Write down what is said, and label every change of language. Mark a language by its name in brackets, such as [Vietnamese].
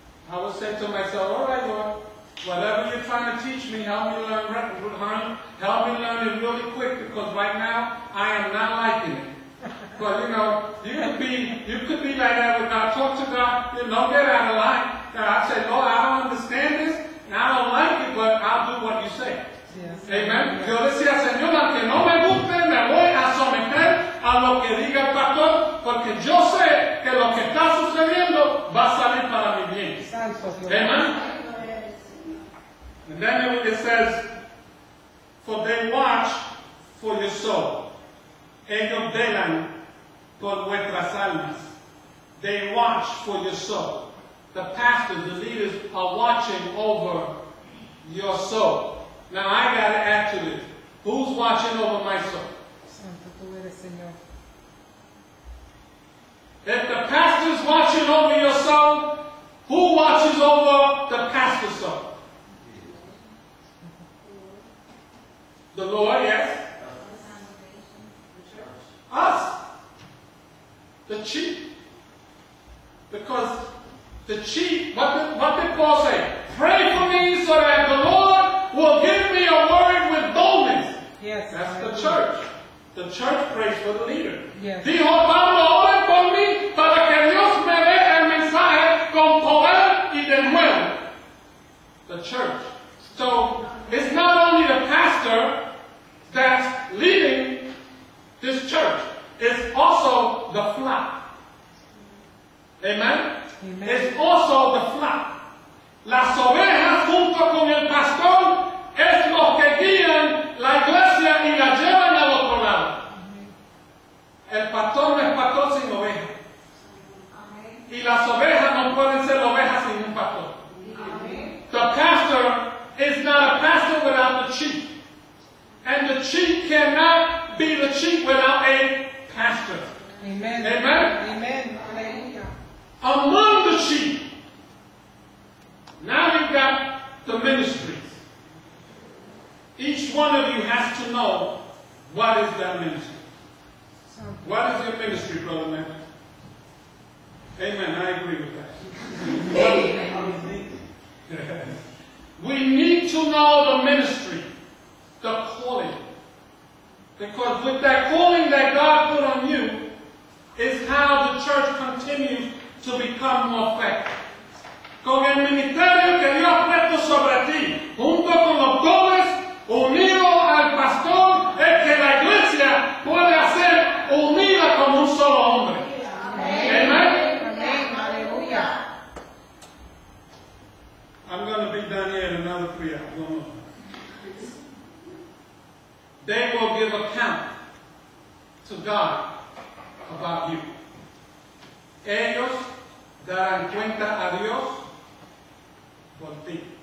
[English] I was saying to myself, all right, Lord, whatever you're trying to teach me, help me learn it really quick, because right now I am not liking it. But you know, you could be like that with God. Talk to God, you know, get out of line. And I say, Lord, I don't understand this, and I don't like it, but I'll do what you say. Yes. Amen. [Spanish] Yo decía, Señor, aunque no me guste, me voy a someter a lo que diga el pastor, porque yo sé que lo que está sucediendo va a salir para mi bien. Amen. [English] And then it says, for they watch for your soul. [Spanish] Ellos velan por vuestras almas. [English] They watch for your soul. The pastors, the leaders are watching over your soul. Now I got to add to it. Who's watching over my soul? [Spanish] Santo, tú eres Señor. [English] If the pastor's watching over your soul, who watches over the pastor's soul? The Lord, yes. Us. The chief. Because the chief, what did Paul say? Pray for me so that the Lord will give me a word with boldness. Yes. That's the church. The church prays for the leader. Yes. [Spanish] Dijo Pablo, oren por mí para que Dios me dé el mensaje con poder y de nuevo. [English] The church. So it's not only the pastor that's leading this church. It's also the flock. Amen? Amen. It's also the flock. [Spanish] Las ovejas junto con el pastor es lo que guían la iglesia y la llevan al otro lado. Amen. El pastor no es pastor sin oveja. Amen. Y las ovejas no pueden ser ovejas sin un pastor. Amen. [English] The pastor is not a pastor without the sheep. And the chief cannot be the chief without a pastor. Amen. Amen. Amen. Among the sheep. Now you've got the ministries. Each one of you has to know what is that ministry. What is your ministry, Brother Man? Amen. I agree with that. We need to know the ministry. The calling. Because with that calling that God put on you is how the church continues to become more effective. [Spanish] Con el ministerio que Dios ha puesto sobre ti, junto con los dones, unido al pastor, es que la iglesia puede ser unida como un solo hombre. Amen. Aleluya. [English] I'm going to be done here in another 3 hours. One more. They will give account to God about you. [Spanish] Ellos darán cuenta a Dios por ti.